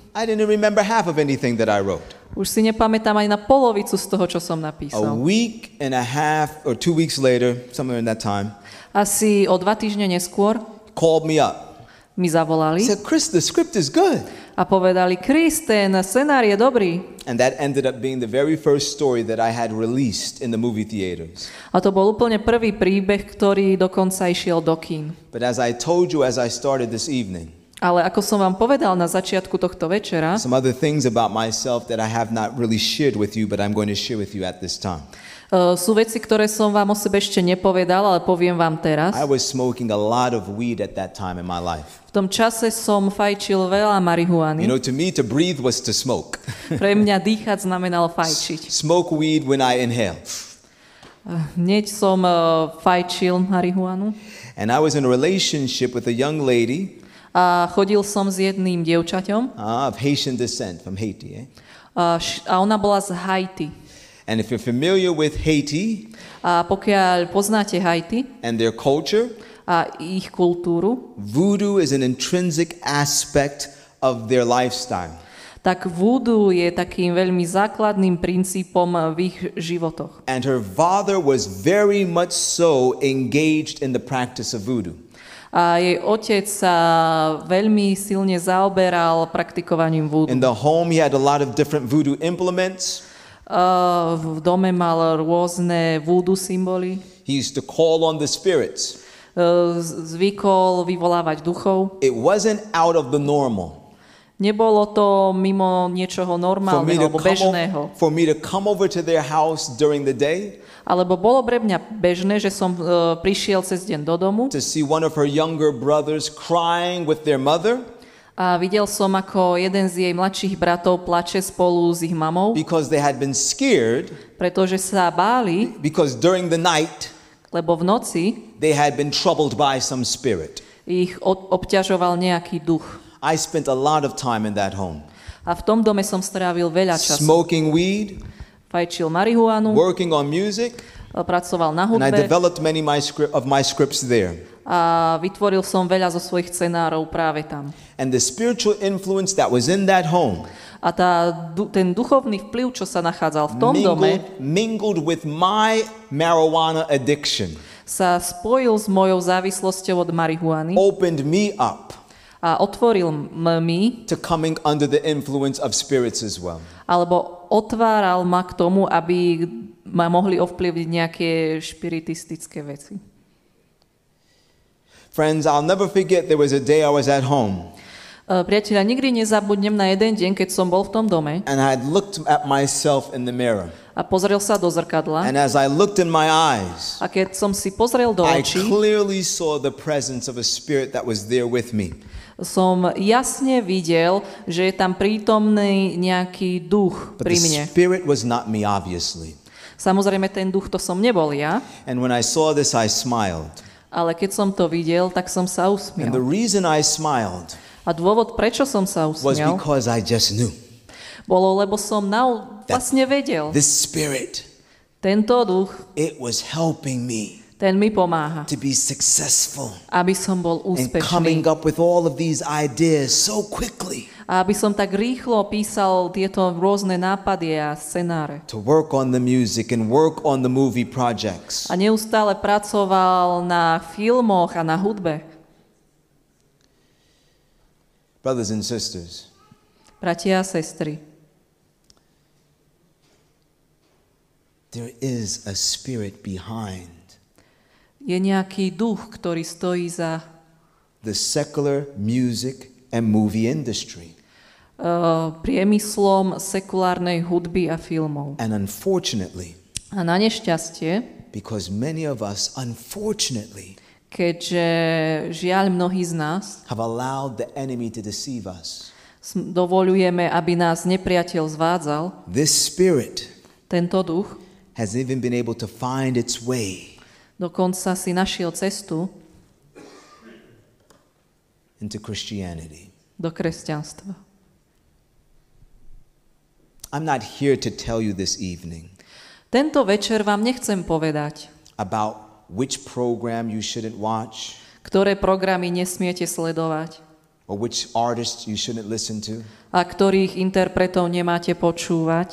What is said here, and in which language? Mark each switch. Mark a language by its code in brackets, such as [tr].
[en] I didn't remember half of anything that I wrote. [sk] Už si nepamätám ani na polovicu z toho, čo som napísal. [en] A week and a half or 2 weeks later, somewhere in that time. [sk] Asi o 2 týždne neskôr. [en] Called me up. [sk] Mi zavolali. [en] Said, Chris, the script is good. [sk] a povedali: "Chris, ten scenár je dobrý." [en] And that ended up being the very first story that I had released in the movie theaters. [sk] A to bol úplne prvý príbeh, ktorý dokonca išiel do kín. [en] But as I told you as I started this evening, [sk] ale ako som vám povedal na začiatku tohto večera, [en] some other things about myself that I have not really shared with you, but I'm going to share with you at this time. [sk] Sú veci, ktoré som vám o sebe ešte nepovedal, ale poviem vám teraz. [en] I was smoking a lot of weed at that time in my life. [sk] V tom čase som fajčil veľa marihuany. [en] You know, to me, to breathe was to smoke. [sk] Pre mňa dýchať znamenalo fajčiť. [en] Smoke weed when I inhale. [sk] Hneď som fajčil marihuanu. [en] And I was in a relationship with a young lady. [sk] A chodil som s jedným dievčaťom. [en] Of Haitian descent, from Haiti, eh? [sk] A ona bola z Haiti. [en] And if you're familiar with Haiti, [sk] a pokiaľ poznáte Haiti, [en] and their culture, [sk] a ich kultúru, [en] voodoo is an intrinsic aspect of their lifestyle. [sk] Tak voodoo je takým veľmi základným princípom v ich životoch. [en] And her father was very much so engaged in the practice of voodoo. [sk] A jej otec sa veľmi silne zaoberal praktikovaním voodoo. [en] In the home he had a lot of different voodoo implements. [sk] V dome mal rôzne voodoo symboly. [en] He used to call on the spirits. [sk] Zvykol vyvolávať duchov. [en] It wasn't out of the normal. [sk] Nebolo to mimo niečoho normálneho alebo bežného. [en] For me to come over to their house during the day. [sk] Alebo bolo pre mňa bežné, že som prišiel cez deň do domu. [en] To see one of her younger brothers crying with their mother. [sk] A videl som, ako jeden z jej mladších bratov plače spolu s ich mamou. [en] Because they had been scared. [sk] Pretože sa báli. [en] Because during the night. [sk] Lebo v noci. [en] They had been troubled by some spirit. [sk] Ich obťažoval nejaký duch. [en] I spent a lot of time in that home. [sk] A v tom dome som strávil veľa času. [en] Smoking weed. [sk] Fajčil marihuanu. [en] Working on music. [sk] Pracoval na hudbe. [en] And I developed many of my scripts there. [sk] A vytvoril som veľa zo svojich scenárov práve tam. [en] And the spiritual influence that was in that home. [sk] A ten duchovný vplyv, čo sa nachádzal v tom dome, [en] mingled with my marijuana addiction. [sk] Sa spojil s mojou závislosťou od marihuany. [en] Opened me up. [sk] A otvoril mi [en] to coming under the influence of spirits as well. [sk] Alebo otváral ma k tomu, aby ma mohli ovplyvniť nejaké špiritistické veci. [en] Friends, I'll never forget there was a day I was at home. [sk] Priateľa, nikdy nezabudnem na jeden deň, keď som bol v tom dome. [en] And I looked at myself in the mirror. [sk] A pozrel sa do zrkadla. [en] And as I looked in my eyes, [sk] a keď som si pozrel do očí, [en] I clearly saw the presence of a spirit that was there with me. [sk] Som jasne videl, že je tam prítomný nejaký duch [en] but [sk] pri mne. [en] But the spirit was not me, obviously. [sk] Samozrejme, ten duch to som nebol ja. [en] And when I saw this, I smiled. [sk] Ale keď som to videl, tak som sa usmial. [en] And the reason I smiled, [sk] a dôvod, prečo som sa usmial, [en] was because I just knew. [sk] Bolo, lebo som vlastne vedel. [en] This spirit, [sk] tento duch, [en] it was helping me, [sk] ten mi pomáha, [en] to be successful, [sk] aby som bol úspešný, [en] and coming up with all of these ideas so quickly, [sk] aby som tak rýchlo písal tieto rôzne nápady a scenáre. [en] To work on the music and work on the movie projects. [sk] A neustále pracoval na filmoch a na hudbe. [en] Brothers and sisters. [sk] Bratia a sestry. [en] There is a spirit behind. [sk] Je nejaký duch, ktorý stojí za [en] the secular music and movie industry. [sk] Priemyslom sekulárnej hudby a filmov. [en] And unfortunately, [sk] a na nešťastie, [en] because many of us, unfortunately, [sk] keďže žiaľ mnohí z nás, [en] have allowed the enemy to deceive us, [sk] dovoľujeme, aby nás nepriateľ zvádzal, [en] this spirit, [sk] tento duch, [en] has even been able to find its way, [sk] dokonca si našiel cestu, [en] into Christianity, [sk] do kresťanstva. [en] I'm not here to tell you this evening. [sk] Tento večer vám nechcem povedať. [en] About which program you shouldn't watch. [sk] Ktoré programy nesmiete sledovať. [en] Or which artists you shouldn't listen to. [sk] A ktorých interpretov nemáte počúvať.